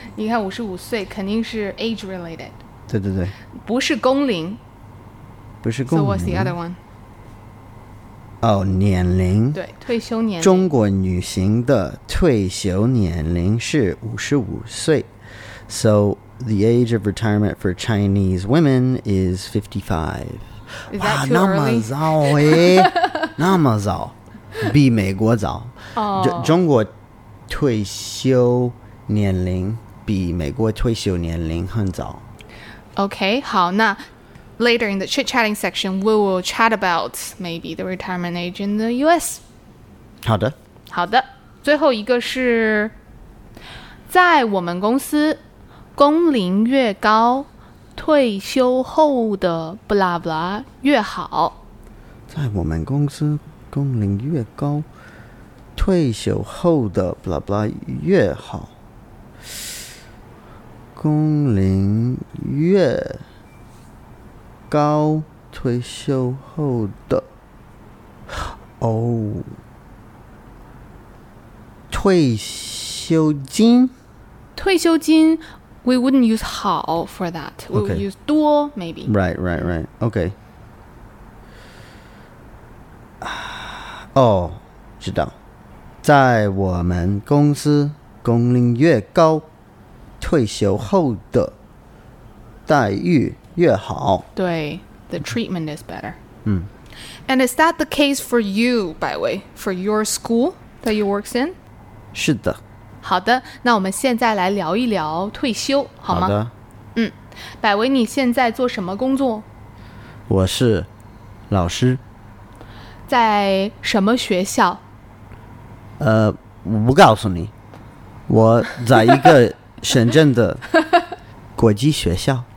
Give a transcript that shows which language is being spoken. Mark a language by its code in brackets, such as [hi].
[zh] 你看55岁肯定是 [en] age related。 [zh] 对对对，不是工龄。不是工龄。 [en] So what's the other one? [zh] 哦，年龄。对，退休年龄。中国女性的退休年龄是55岁。 [en] So the age of retirement for Chinese women is 55。 Is that [zh] 哇，那么早耶。那么早，比美国早。中国退休年龄比美国退休年龄很早。 [en] OK, [zh] 好，那 [en] later in the chit-chatting section, we will chat about maybe the retirement age in the U.S. [zh] 好的。好的。最后一个是在我们公司工龄越高退休后的 blah blah 越好。在我们公司工龄越高退休后的 blah blah 越好。工龄越高退休后的哦退休金 [en] 退休金 we wouldn't use 好 for that we would use 多 maybe right right right okay [zh] 哦、oh, 知道在我们公司工龄越高退休后的待遇越好 [en] 对 the treatment is better、 mm. And is that the case for you, by the way, for your school that you work in? [zh] 是的好的那我们现在来聊一聊退休好吗好的嗯百维你现在做什么工作我是老师在什么学校我不告诉你我在一个深圳的国际学校